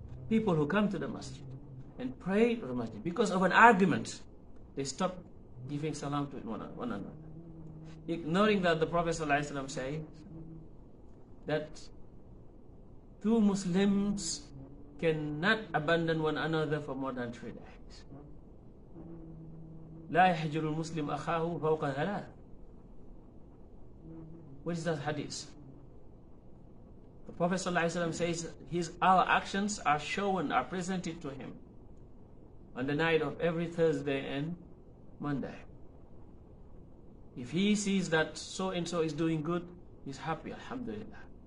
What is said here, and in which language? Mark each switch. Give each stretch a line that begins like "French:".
English: People who come to the masjid and pray to the masjid, because of an argument, they stop giving salam to one another. Ignoring that the Prophet sallallahu alaihi wasallam says that two Muslims cannot abandon one another for more than 3 days.
Arabic: لا يحجر المسلم أخاه فوق ثلاث.
English: What is that hadith? The Prophet
Arabic: صلى الله عليه وسلم
English: says our actions are shown, are presented to him on the night of every Thursday and Monday. If he sees that so and so is doing good, he's happy, alhamdulillah.